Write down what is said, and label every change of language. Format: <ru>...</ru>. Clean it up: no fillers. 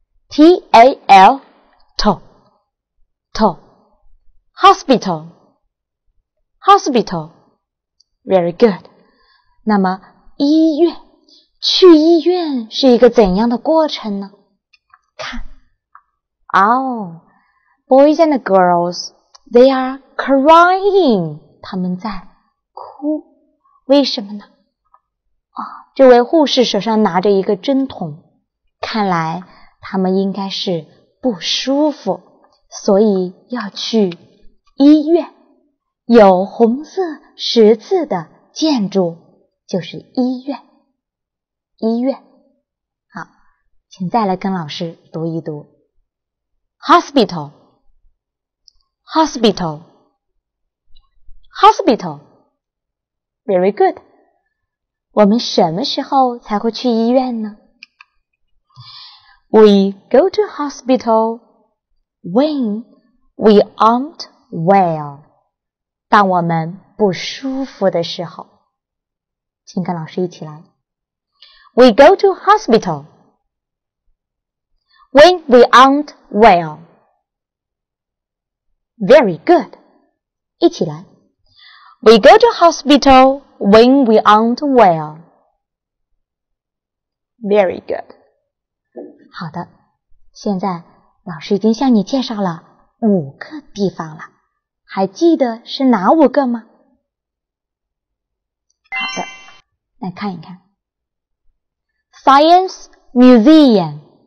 <en>T A L, to, to. Hospital, hospital, very good.</en> <zh>那么医院，去医院是一个怎样的过程呢？看，哦、</zh> <en>oh, boys and girls, they are crying.</en> <zh>他们在哭，为什么呢？哦、oh, ，这位护士手上拿着一个针筒，看来他们应该是不舒服，所以要去。医院有红色十字的建筑就是医院，医院。好，请再来跟老师读一读</zh> <en>Hospital, Hospital, Hospital. Very good.</en> <zh>我们什么时候才会去医院呢？</zh> <en>We go to hospital when we aren't well,</en> <zh>当我们不舒服的时候，请跟老师一起来。</zh> <en>We go to hospital when we aren't well. Very good.</en> <zh>一起来。</zh> <en>We go to hospital when we aren't well. Very good.</en> <zh>好的，现在老师已经向你介绍了五个地方了。还记得是哪五个吗？好的，来看一看。</zh> <en>Science Museum.</en>